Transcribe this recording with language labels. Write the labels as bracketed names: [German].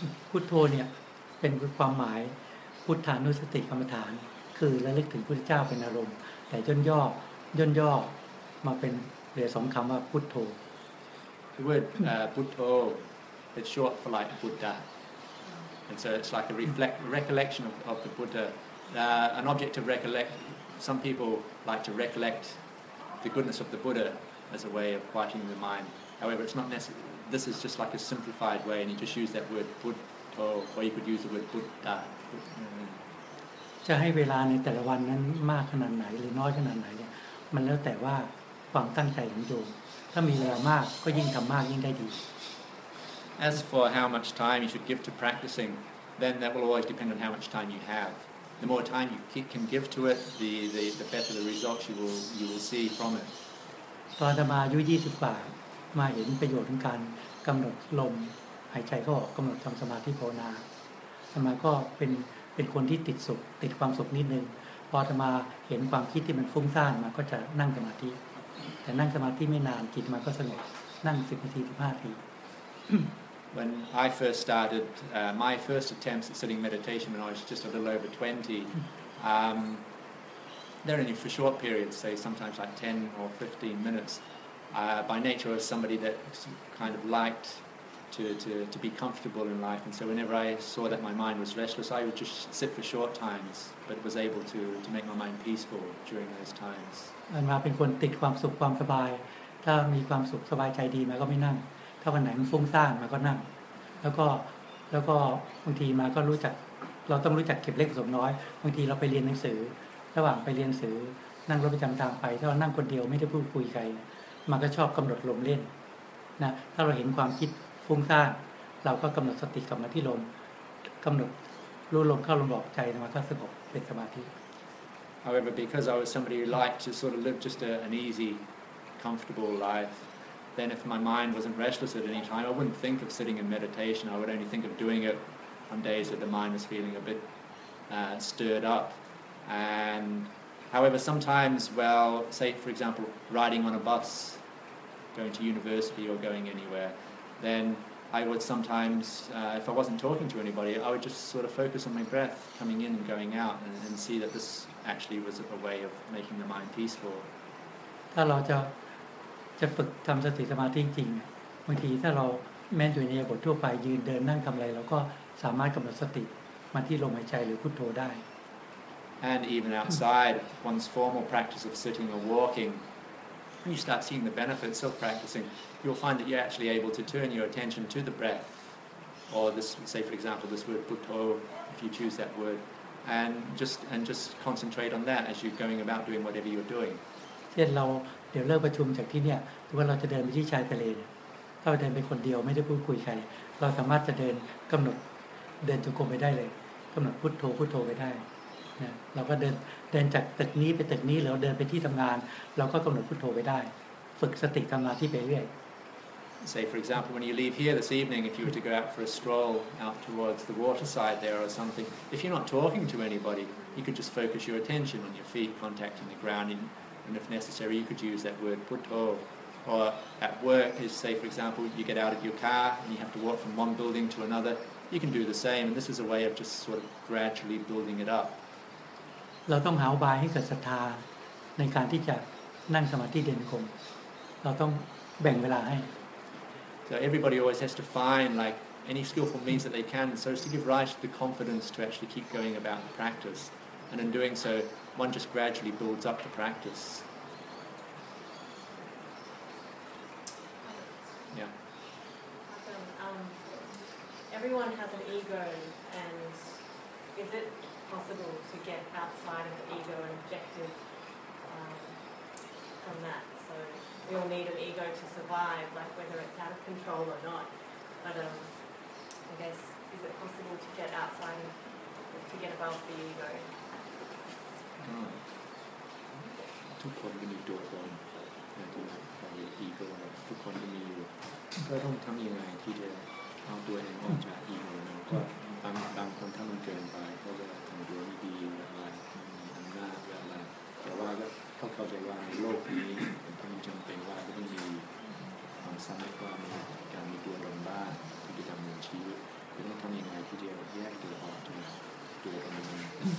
[Thai] พุทโธเนี่ยเป็นความหมายพุทธานุสติกรรมฐานคือระลึกถึงพุทธเจ้าเป็นอารมณ์แต่ย่นย่อมาเป็นเหลือสองคำว่าพุทโธ [English] The word putto it's short for like Buddha and so it's like a recollection of the Buddha an object to recollect some people like to recollect the goodness of the Buddha as a way of quieting the mind however it's not necessaryThis is just like a simplified way, and you just use that word "putto," or you could use the word "putta." [Thai] จะให้เวลาในแต่ละวันนั้นมากขนาดไหนหรือน้อยขนาดไหนเนี่ยมันแล้วแต่ว่าความตั้งใจของโยมถ้ามีเวลามากก็ยิ่งทำมากยิ่งได้ดี [English] As for how much time you should give to practicing, then that will always depend on how much time you have. The more time you can give to it, the better the results you will see from it. [Thai] ตอนจะมาอายุ20 กว่ามาเห็นประโยชน์ของการกำหนดลมหายใจเข้าออกกำหนดทำสมาธิภาวนาสมาก็เป็นคนที่ติดสุขติดความสุขนิดนึงพอสมาเห็นความคิดที่มันฟุ้งซ่านมาก็จะนั่งสมาธิแต่นั่งสมาธิไม่นานจิตมันก็สงบนั่ง10 นาที 15 นาที [English] When I first started my first attempts at sitting meditation when I was just a little over 20 they're only for short periods say sometimes like 10 or 15 minutes by nature I was somebody that kind of liked to be comfortable in life. And so whenever I saw that my mind was restless, I would just sit for short times, but was able to make my mind peaceful during those times. And I'm a person who likes comfort, comfort. If I have comfort, comfort, my mind is good, I don't sit. If I'm feeling stressed, I sit. [Thai] แล้วก็บางทีมาก็รู้จักเราต้องรู้จักเก็บเล็กผสมน้อยบางทีเราไปเรียนหนังสือระหว่างไปเรียนหนังสือนั่งรถประจำทางไปถ้าเรานั่งคนเดียวไม่ได้พูดคุยใครมันก็ชอบกำหนดลมเล่นนะถ้าเราเห็นความคิดฟุ้งซ่านเราก็กำหนดสติกลับมาที่ลมกำหนดรู้ลมเข้าลมออกใจมาถ้าสงบเป็นสมาธิ [English] However, because I was somebody who liked to sort of live just an easy, comfortable lifeThen if my mind wasn't restless at any time, I wouldn't think of sitting in meditation. I would only think of doing it on days that the mind was feeling a bit stirred up. And however, sometimes, well, say for example, riding on a bus, going to university or going anywhere, then I would sometimes, if I wasn't talking to anybody, I would just sort of focus on my breath coming in and going out and see that this actually was a way of making the mind peaceful. Hello, Joe. [Thai] จะฝึกทำสติสมาธิจริงๆบางทีถ้าเราแม้อยู่ในบททั่วไปยืนเดินนั่งทำอะไรเราก็สามารถกำหนดสติมาที่ลมหายใจหรือพุทโธได้ [English] And even outside one's formal practice of sitting or walking you start seeing the benefits of practicing you'll find that you're actually able to turn your attention to the breath or this say for example this word putto if you choose that word and just concentrate on that as you're going about doing whatever you're doing [Thai] เช่นเราเดี๋ยวเลิกประชุมจากที่เนี่ยหรือว่าเราจะเดินไปที่ชายทะเลถ้าเราเดินไปคนเดียวไม่ได้พูดคุยใครเราสามารถจะเดินกำหนดเดินจงกรมไปได้เลยกำหนดพุทโธพุทโธไปได้นะเราก็เดินจากตึกนี้ไปตึกนี้หรือเดินไปที่ทำงานเราก็กำหนดพุทโธไปได้ฝึกสติทำงานที่ไปเรื่อย [English] Say for example when you leave here this evening if you were to go out for a stroll out towards the waterside there or something if you're not talking to anybody you could just focus your attention on your feet contacting the ground andAnd if necessary, you could use that word putto. Or at work, is say, for example, you get out of your car and you have to walk from one building to another. You can do the same. And this is a way of just sort of gradually building it up. [Thai] เราต้องหาอุบายให้เกิดศรัทธาในการที่จะนั่งสมาธิเดินกรมเราต้องแบ่งเวลาให้ [English] So everybody always has to find like any skillful means that they can so as to give rise to the confidence to actually keep going about the practice. And in doing so,One just gradually builds up the practice. Yeah. Everyone has an ego, and is it possible to get outside of the ego and objective from that? So we all need an ego to survive, like whether it's out of control or not. But I guess, is it possible to get outside, to get above the ego? [Thai] ทุกคนก็มีตัวตนนะตัวของอีโก้ทุกคนก็มีอยู่ก็ต้องทำยังไงที่จะเอาตัวเองออกจากอีโก้นั้นก็บางคนถ้ามันเกินไปเขาจะทำตัวไม่ดีอะไรมีอำนาจอะไรแต่ว่าก็เข้าใจว่าในโลกนี้มันต้องจำเป็นว่าต้องมีความสำเร็จก็การมีตัวตนบ้างที่จะดำเนินชีวิตก็ต้องทำยังไงที่จะแยกตัวออกจากตัวตนนั้น